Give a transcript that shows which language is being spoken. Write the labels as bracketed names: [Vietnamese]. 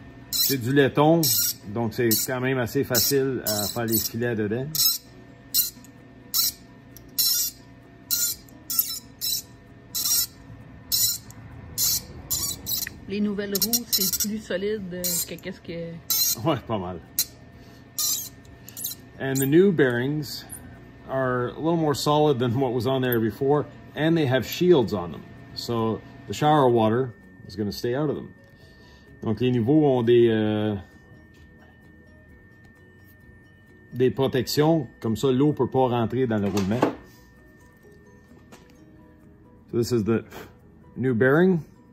[French] C'est du laiton, donc c'est quand même assez facile à faire les filets dedans. Les nouvelles roues, c'est plus solide que qu'est-ce que... Ouais, pas mal. [English] And the new bearings are a little more solid than what was on there before, and they have shields on them. So the shower water is going to stay out of them. [French] Donc les niveaux ont des protections, comme ça l'eau peut pas rentrer dans le roulement. [English] So this is the new bearing.